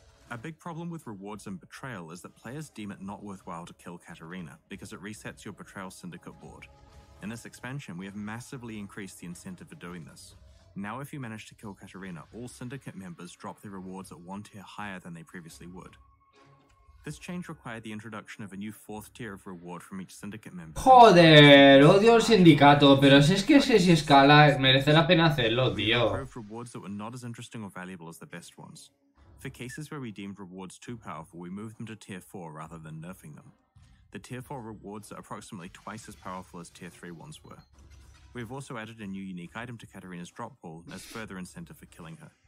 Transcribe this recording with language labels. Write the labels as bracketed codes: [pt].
[en] A big problem with rewards and betrayal is that players deem it not worthwhile to kill Katarina because it resets your betrayal syndicate board. In this expansion, we have massively increased the incentive for doing this. Now, if you manage to kill Katarina, all syndicate members drop their rewards at one tier higher than they previously would. This change required the introduction of a new fourth tier of reward from each syndicate member. [es] Joder, odio el sindicato, pero si es que ese si escala, merece la pena hacerlo, tío. [en] We improved rewards that were not as interesting or valuable as the best ones. For cases where we deemed rewards too powerful, we moved them to tier 4 rather than nerfing them. The tier 4 rewards are approximately twice as powerful as tier 3 ones were. We have also added a new unique item to Katarina's drop pool as further incentive for killing her.